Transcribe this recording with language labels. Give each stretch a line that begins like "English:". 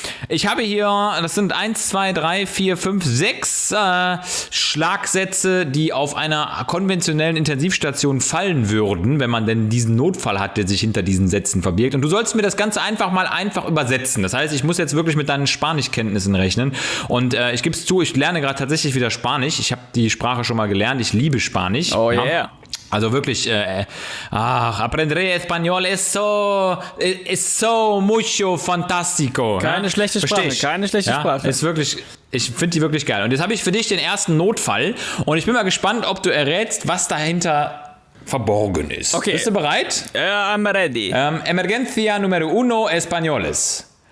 German: Ich habe hier, das sind 1, 2, 3, 4, 5, 6 Schlagsätze, die auf einer konventionellen Intensivstation fallen würden, wenn man denn diesen Notfall hat, der sich hinter diesen Sätzen verbirgt. Und du sollst mir das Ganze einfach mal einfach übersetzen. Das heißt, ich muss jetzt wirklich mit deinen Spanischkenntnissen rechnen. Und ich gebe es zu, ich lerne gerade tatsächlich wieder Spanisch. Ich habe die Sprache schon mal gelernt. Ich liebe Spanisch.
English: Oh yeah.
German: Also wirklich,
Spanish: aprenderé español es so mucho fantástico.
German: Keine schlechte Sprache. Ist wirklich, ich finde die wirklich geil. Und jetzt habe ich für dich den ersten Notfall und ich bin mal gespannt, ob du errätst, was dahinter verborgen ist. Okay. Bist du bereit?
English: I'm ready.
Spanish: Emergencia número uno españoles.